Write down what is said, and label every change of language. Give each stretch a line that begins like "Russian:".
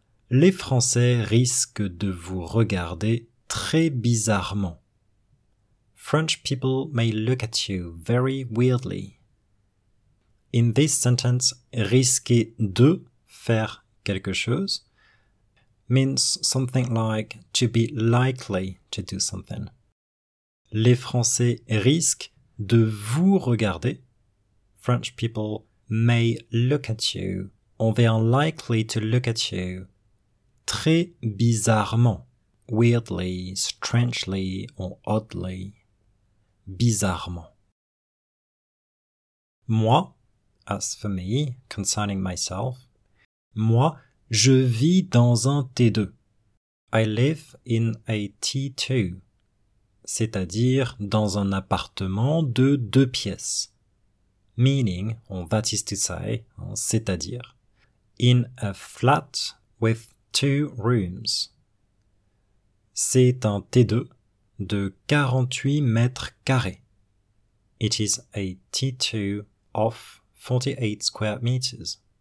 French: Les Français risquent de vous regarder très bizarrement.
English: French people may look at you very weirdly. In this sentence, risquer de faire quelque chose, means something like to be likely to do something.
French: Les Français risquent de vous regarder.
English: French people may look at you. Or they are likely to look at you. Très bizarrement. Weirdly, strangely, or oddly. Bizarrement. Moi, as for me, concerning myself.
French: Moi, je vis dans un T2. I live in a T2. C'est-à-dire dans un appartement de deux pièces.
English: Meaning, or that is to say, c'est-à-dire. In a flat with two rooms.
French: C'est un T2 de 48 mètres carrés.
English: It is a T2 of 48 square meters.